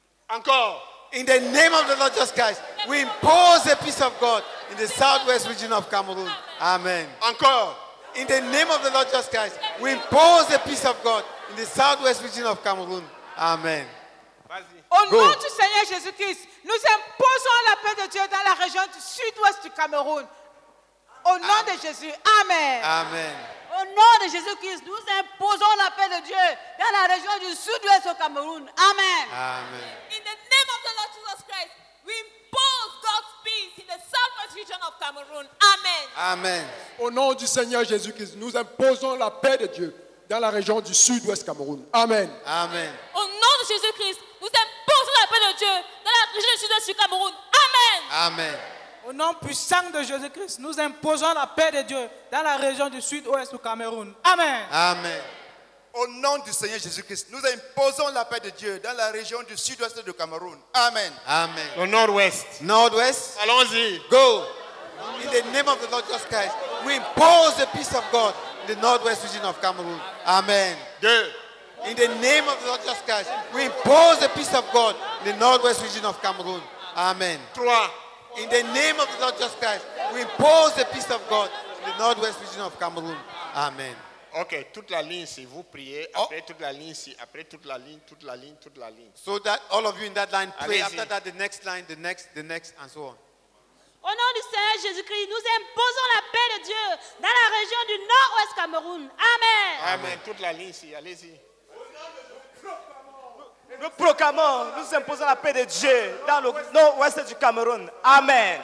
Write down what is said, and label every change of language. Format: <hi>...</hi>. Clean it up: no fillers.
<fr>Encore.</fr> <en>In the name of the Lord Jesus Christ, we impose the peace of God in the southwest region of Cameroon. Amen.</en> <fr>Encore.</fr> <en>In the name of the Lord Jesus Christ, we impose the peace of God in the southwest region of Cameroon. Amen.</en> <fr>Au nom du Seigneur Jésus Christ, nous imposons la paix de Dieu dans la région du sud-ouest du Cameroun. Au nom de Jésus, amen. Amen. Au nom de Jésus Christ, nous imposons la paix de Dieu dans la région du sud-ouest au Cameroun. Amen. Amen.</fr> <en>In the name of the Lord Jesus Christ, we impose God's peace in the southwest region of Cameroon.</en> <fr>Cameroun. Amen. Amen. Au nom du Seigneur Jésus-Christ, nous imposons la paix de Dieu dans la région du sud-ouest Cameroun. Amen. Amen. Au nom de Jésus-Christ, nous imposons la paix de Dieu dans la région du sud-ouest du Cameroun. Amen. Amen. Au nom puissant de Jésus-Christ, nous imposons la paix de Dieu dans la région du sud-ouest du Cameroun. Amen. Amen. Au nom du Seigneur Jésus-Christ, nous imposons la paix de Dieu dans la région du sud-ouest du Cameroun. Amen. Amen. Au nord-ouest. Nord-ouest. Allons-y.</fr> <en>Go. In the name of the Lord Jesus Christ, we impose the peace of God in the northwest region of Cameroon. Amen.</en> <fr>Deux.</fr> <en>In the name of the Lord Jesus Christ, we impose the peace of God in the northwest region of Cameroon. Amen.</en> <fr>Trois.</fr> <en>In the name of the Lord Jesus Christ, we impose the peace of God in the northwest region of Cameroon. Amen.</en> <fr>Okay, toute la ligne, si vous priez, après toute la ligne, si après toute la ligne.</fr> <en>So that all of you in that line pray.</en> <fr>Allez-y.</fr> <en>After that, the next line, and so on.</en> <fr>Au nom du Seigneur Jésus-Christ, nous imposons la paix de Dieu dans la région du nord-ouest Cameroun. Amen. Amen. Toute la ligne, si, allez-y. Nous proclamons, nous imposons la paix de Dieu dans le nord-ouest du Cameroun. Amen.</fr>